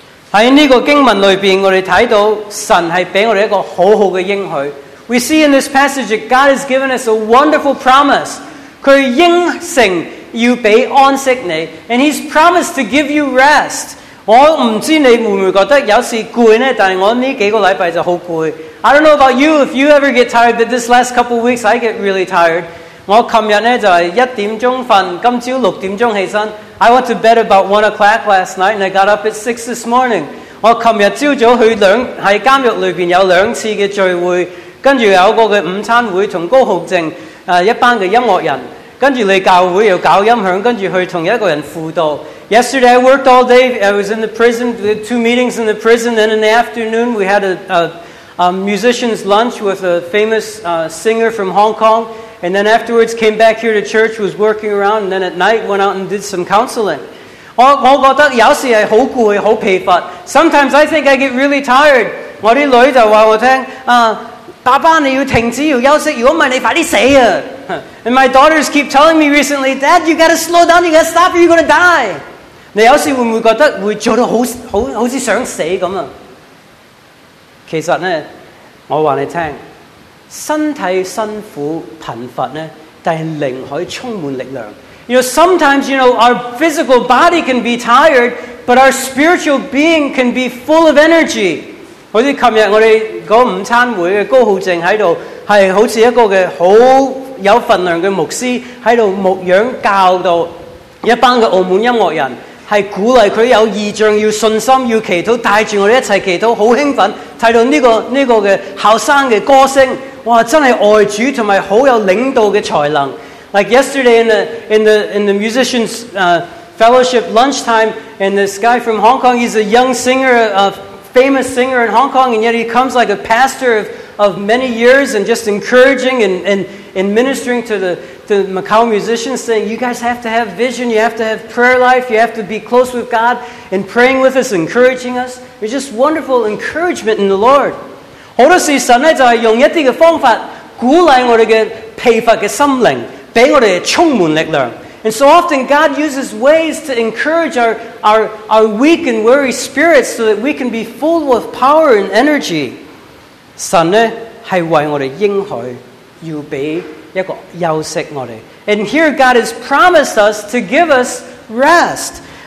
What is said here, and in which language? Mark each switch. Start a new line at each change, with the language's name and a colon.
Chinese: 在这个经文里面，我们看到神是给我们一个很好的应许。
English: We see in this passage that God has given us a wonderful promise。
Chinese: 祂应承要给安息你，
English: And He's promised to give you rest。
Chinese: 我不知道你会不会觉得有时累呢，但我这几个礼拜就很累。
English: I don't know about you, if you ever get tired, but this last couple of weeks I get really tired。
Chinese: 我昨天呢就是一点钟睡，今早六点钟起床。
English: I went to bed about 1 o'clock last night and I got up at 6 this morning。
Chinese: 我昨天早上去在监狱里面有两次的聚会，跟着有一个午餐会和高浩正、一班的音乐人，跟着来教会又搞音响，跟着去和一个人辅导。
English: Yesterday I worked all day, I was in the prison, two meetings in the prison, then in the afternoon we had a musician's lunch with a famous singer from Hong Kong. And then afterwards came back here to church, was working around, and then at night went out and did some counseling.
Chinese: 我觉得有时是很累很疲乏。
English: Sometimes I think I get really tired.
Chinese: 我的女儿就说我听、爸爸你要停止要休息，如果不然你快点死啊。
English: And my daughters keep telling me recently, Dad, you gotta slow down, you gotta stop, or you're gonna die.
Chinese: 你有时会不会觉得会做得 好像想死这样。其实呢，我告诉你听，身体辛苦贫乏呢，但是灵可以充满力量。
English: You know, sometimes you know, our physical body can be tired, but our spiritual being can be full of energy.
Chinese: 好像昨天我们那个午餐会的高浩正在这里，是好像一个的很有分量的牧师在这里牧养教导一班的澳门音乐人，是鼓励他有意象，要信心，要祈祷，带着我们一起祈祷，很兴奋。看到这个的后生的歌声，哇，真是爱主和很有领导的才能。
English: Like yesterday in the musicians fellowship lunchtime, and this guy from Hong Kong, he's a young singer, a famous singer in Hong Kong, and yet he comes like a pastor of many years and just encouraging and ministering to the Macau musicians, saying you guys have to have vision, you have to have prayer life, you have to be close with God and praying with us, encouraging us. It's just wonderful encouragement in the Lord.
Chinese: 好多时神就是用一些方法鼓励我们的疲乏的心灵，给我们充满力量。
English: And so often God uses ways to encourage our weak and weary spirits so that we can be full with power and energy.
Chinese: 神呢是为我们应许要给一个休息我们。
English: And here God has promised us to give us rest.